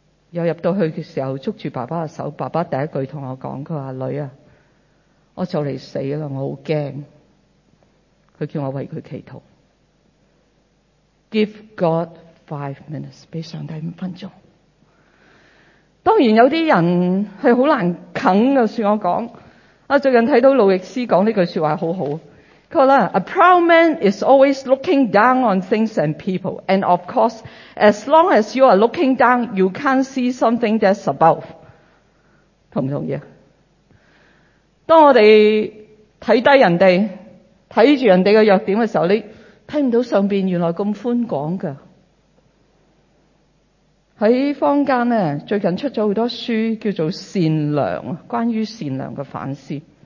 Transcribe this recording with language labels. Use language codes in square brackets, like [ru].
[zh] 又入到去的時候捉住爸爸的手，爸爸第一句跟我說，他說女兒，我就來死了，我很害怕。他叫我為他祈禱， [en] Give God 5 minutes， [zh] 給上帝5分鐘。當然有些人是很難啃的，算我說。最近看到路易斯說這句說話很好。他說 [en] ,A proud man is always looking down on things and people. And of course, as long as you are looking down, you can't see something that's above. [zh] 同不同意？當我們看低人家，看著人家的弱點的時候，你看不到上面原來這麼寬廣的。在坊間呢，最近出了很多書叫做善良，關於善良的反思。